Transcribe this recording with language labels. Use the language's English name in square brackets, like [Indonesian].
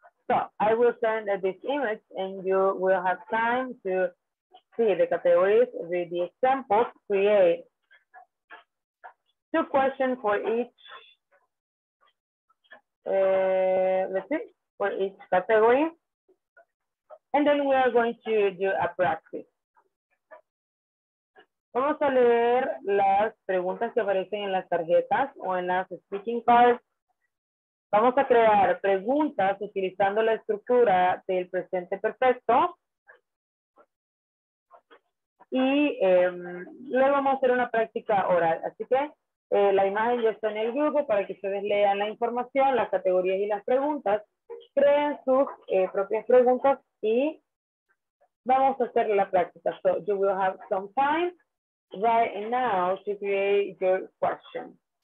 [English] So I will send this image and you will have time to see the categories, read the examples, create two questions for each, let's see, for each category. And then we are going to do a practice. [Spanish] Vamos a leer las preguntas que aparecen en las tarjetas o en las [English] speaking cards. [Spanish] Vamos a crear preguntas utilizando la estructura del presente perfecto. Y luego vamos a hacer una práctica oral. Así que la imagen ya está en el grupo para que ustedes lean la información, las categorías y las preguntas. Creen sus propias preguntas y vamos a hacer la práctica. [English] So you will have some time right now to create your question.